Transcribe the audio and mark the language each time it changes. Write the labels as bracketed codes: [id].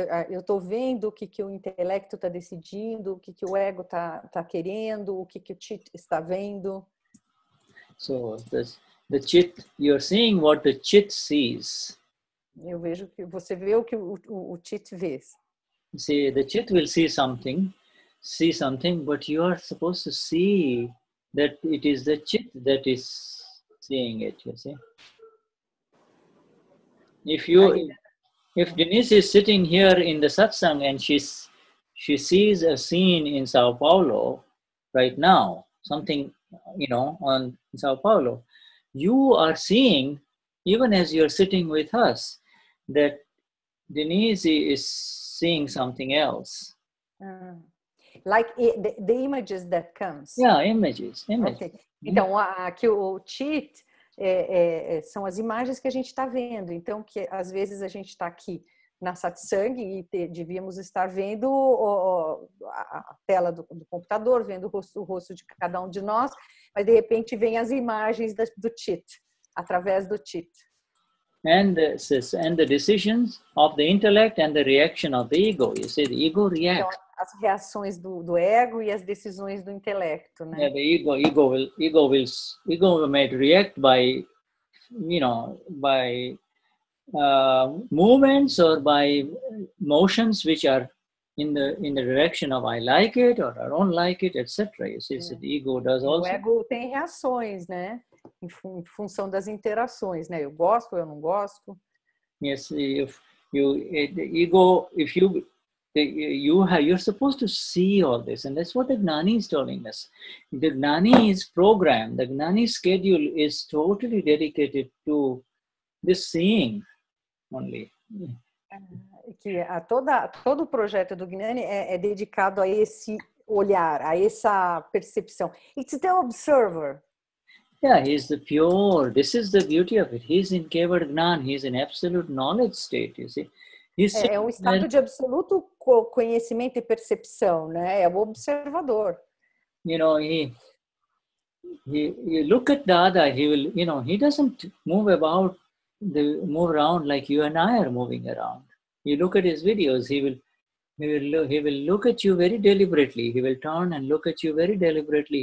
[pt] Eu tô vendo o que, que o intelecto está decidindo, o que, que o ego tá querendo, o que, que o chit está vendo. [en] So, the chit, you're seeing what the chit sees. [pt] Eu vejo que você vê o que o chit vê. [en] See, the chit will see something, but you are supposed to see that it is the chit that is seeing it, you see? If Denise is sitting here in the satsang and she sees a scene in Sao Paulo right now, something, you know, in Sao Paulo, you are seeing, even as you are sitting with us, that Denise is seeing something else. Like the images that comes. Yeah, images. [pt] Okay. Então, aqui o cheat... são as imagens que a gente está vendo. Então, que às vezes a gente está aqui na satsang e devíamos estar vendo a tela do computador, vendo o rosto de cada um de nós, mas de repente vem as imagens do chit, através do chit. [en] And the decisions of the intellect and the reaction of the ego. You say the ego reacts. [pt] Então, as reações do ego e as decisões do intelecto, né? [en] Yeah, the ego will make react by, you know, by movements or by motions which are in the direction of I like it or I don't like it, etc. You see, so the ego does also. [pt] O ego tem reações, né? Em função das interações, né? Eu gosto, eu não gosto. [en] Yes, you're supposed to see all this, and that's what the Gnani is telling us. The Gnani's program, the Gnani's schedule is totally dedicated to this seeing only. [pt] Que a todo o projeto do Gnani é dedicado a esse olhar, a essa percepção. [en] It's the observer. Yeah, he's the pure. This is the beauty of it. He's in Kevara Gnana. He's in absolute knowledge state, you see. [pt] É um estado de absoluto conhecimento e percepção, né? É o observador. [en] You know, he look at Dada, he will, you know, he doesn't move around like you and I are moving around. You look at his videos, he will look at you very deliberately. He will turn and look at you very deliberately.